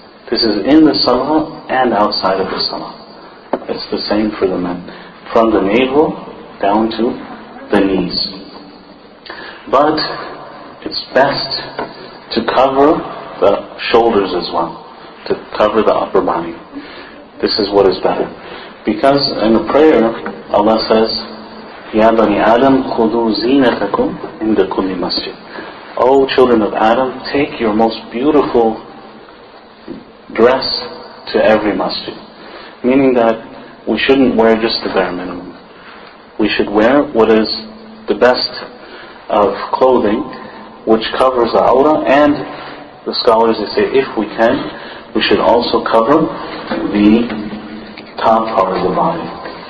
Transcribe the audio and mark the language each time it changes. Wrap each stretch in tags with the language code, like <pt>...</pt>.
<en>This is in the salah and outside of the salah. It's the same for the men. From the navel down to the knees. But it's best to cover the shoulders as well, to cover the upper body. This is what is better. Because in the prayer, Allah says,</en> <ar>يَا بَنِي آدَمْ خُدُوا زِينَتَكُمْ عِنْدَ كُلِّ مَسْجِدٍ.</ar> <en>O children of Adam, take your most beautiful dress to every masjid. Meaning that we shouldn't wear just the bare minimum. We should wear what is the best of clothing, which covers the awrah, and the scholars, they say, if we can, we should also cover the top part of the body.</en>